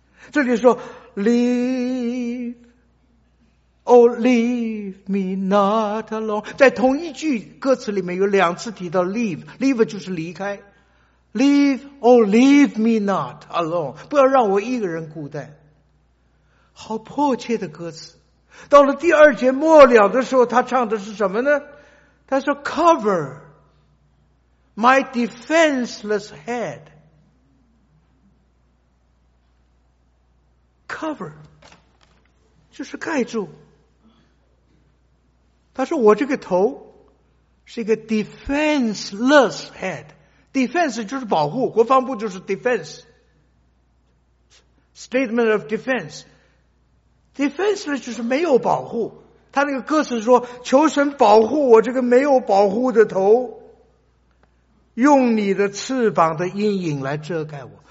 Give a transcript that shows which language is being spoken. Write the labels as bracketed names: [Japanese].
[Chinese] 这里说 [English] leave me not alone， [Chinese] 在同一句歌词里面有两次提到 leave 就是离开， leave me not alone， 不要让我一个人孤单。好迫切的歌词。到了第二节末了的时候，他唱的是什么呢？他说 [English] cover my defenseless head， [Chinese] cover 就是盖住。他说我这个头是一个 [English] defenseless head， [Chinese] defense 就是保护，国防部就是 defense， statement of defense， defenseless 就是没有保护。他那个歌词说，求神保护我这个没有保护的头，用你的翅膀的阴影来遮盖我。